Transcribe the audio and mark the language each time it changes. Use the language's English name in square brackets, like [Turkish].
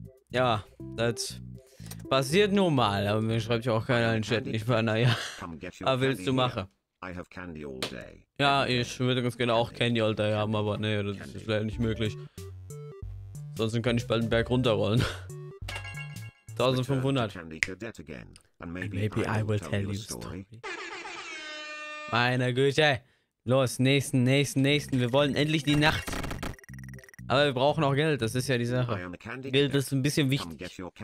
[German] Ja, das passiert nun mal. Aber mir schreibt ja auch keiner in den Chat. Ich war, naja, was willst du machen? [English] I have candy all day. [German] Ja, ich würde ganz gerne auch [English] Candy all day [German] haben, aber nee, das ist leider nicht möglich. Sonst kann ich bald einen Berg runterrollen. 1500. [English] And maybe I will tell you a story. [German] Meine Güte. Los, nächsten. Wir wollen endlich die Nacht. Aber wir brauchen auch Geld, das ist ja die Sache. Geld ist ein bisschen wichtig.